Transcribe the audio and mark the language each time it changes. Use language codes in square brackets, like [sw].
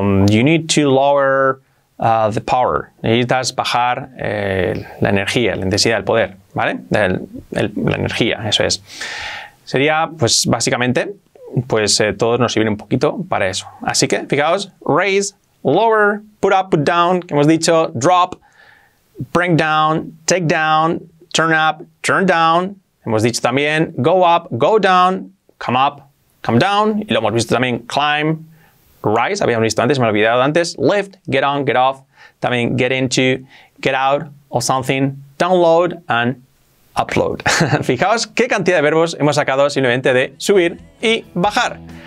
[en] You need to lower the power. [es] Necesitas bajar la energía, la intensidad, el poder, ¿vale? La energía, eso es. Sería, pues, básicamente, pues, todos nos sirven un poquito para eso. Así que, fijaos, [en] raise, lower, put up, put down, que hemos dicho, drop, bring down, take down, turn up, turn down. [es] Hemos dicho también, [en] go up, go down, come up, come down. [es] Y lo hemos visto también, climb, rise, habíamos visto antes, me lo he olvidado antes. [en] Lift, get on, get off. También get into, get out of something. Download and upload. [es] Fijaos qué cantidad de verbos hemos sacado simplemente de subir y bajar.